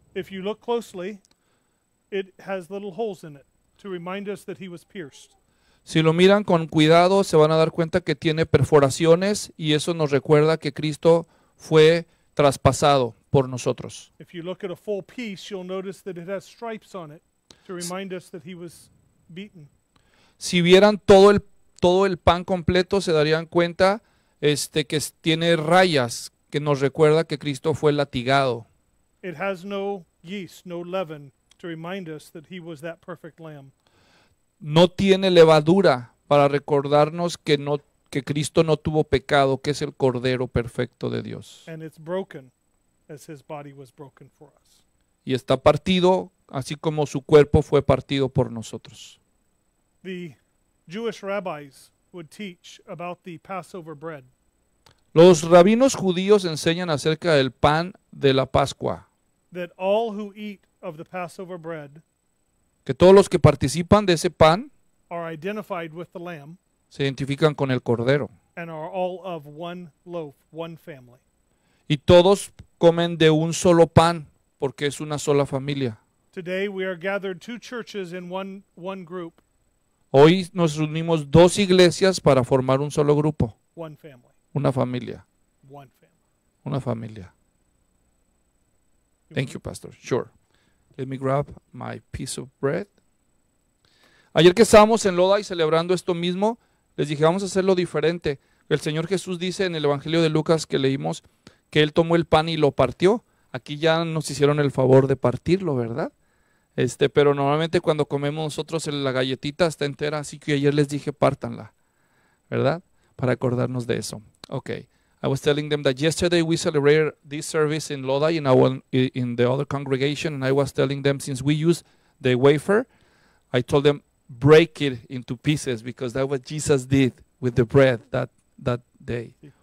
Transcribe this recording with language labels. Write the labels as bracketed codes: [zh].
[en] If you look closely, it has little holes in it to remind us that he was pierced. [es] Si lo miran con cuidado, se van a dar cuenta que tiene perforaciones y eso nos recuerda que Cristo fue traspasado por nosotros. [en] If you look at a full piece, you'll notice that it has stripes on it to remind us that he was beaten. [es] Si vieran todo el pan completo, se darían cuenta que tiene rayas que nos recuerda que Cristo fue latigado. [en] It has no yeast, no leaven to remind us that he was that perfect lamb. [es] No tiene levadura para recordarnos que Cristo no tuvo pecado, que es el cordero perfecto de Dios. [en] And it's broken. As his body was broken for us. [es] Y está partido, así como su cuerpo fue partido por nosotros. [en] The Jewish rabbis would teach about the Passover bread. [es] Los rabinos judíos enseñan acerca del pan de la Pascua. [en] That all who eat of the Passover bread, [es] que todos los que participan de ese pan, [en] are identified with the lamb, [es] se identifican con el cordero, [en] and are all of one loaf, one family. [es] Y todos comen de un solo pan, porque es una sola familia. [en] Today we are gathered two churches in one group. [es] Hoy nos reunimos dos iglesias para formar un solo grupo. [en] One family. [es] Una familia. [en] One family. [es] Una familia. [en] Thank you, Pastor. Sure. Let me grab my piece of bread. [es] Ayer que estábamos en Lodi celebrando esto mismo, les dije, vamos a hacerlo diferente. El Señor Jesús dice en el Evangelio de Lucas que leímos, que él tomó el pan y lo partió. Aquí ya nos hicieron el favor de partirlo, ¿verdad? Pero normalmente cuando comemos nosotros la galletita está entera, así que ayer les dije, pártanla, ¿verdad? Para acordarnos de eso. Okay. [en] I was telling them that yesterday we celebrated this service in Lodi in the other congregation, and I was telling them since we use the wafer, I told them break it into pieces because that was Jesus did with the bread that day.